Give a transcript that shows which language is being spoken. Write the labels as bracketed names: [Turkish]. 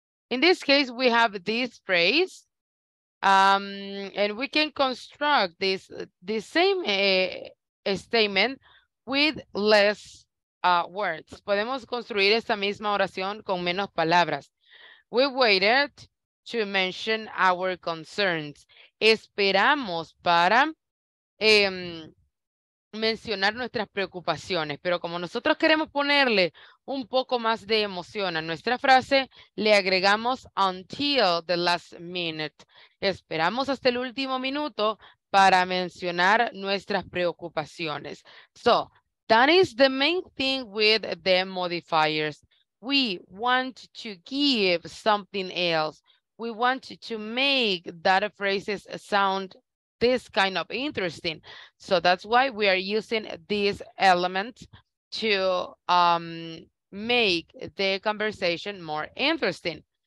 [English] In this case, we have this phrase, and we can construct this same statement with less words. [Spanish] Podemos construir esta misma oración con menos palabras. [English] We waited to mention our concerns. [Spanish] Esperamos para mencionar nuestras preocupaciones, pero como nosotros queremos ponerle un poco más de emoción a nuestra frase, le agregamos [English] until the last minute. [Spanish] Esperamos hasta el último minuto para mencionar nuestras preocupaciones. [English] So, that is the main thing with the modifiers. We want to give something else. We want to make that phrases sound this kind of interesting. So that's why we are using these elements to make the conversation more interesting.